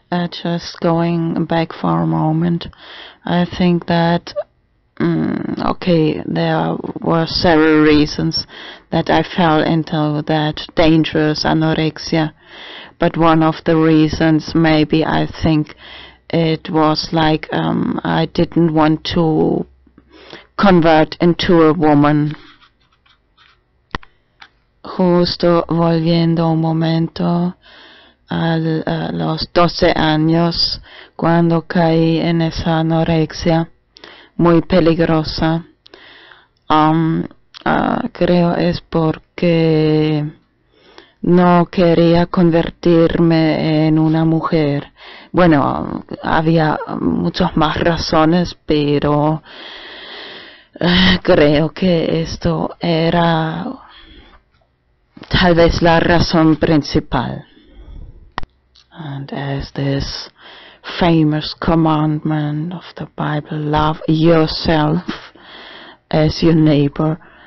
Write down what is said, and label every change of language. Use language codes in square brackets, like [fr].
[en] Just going back for a moment, I think that okay, there were several reasons that I fell into that dangerous anorexia, but one of the reasons, maybe, I think it was like I didn't want to convert into a woman. [es] Justo volviendo un momento a los 12 años, cuando caí en esa anorexia muy peligrosa, creo es porque no quería convertirme en una mujer. Bueno, había muchas más razones, pero creo que esto era tal vez la razón principal. [en] And as this famous commandment of the Bible, love yourself as your neighbor.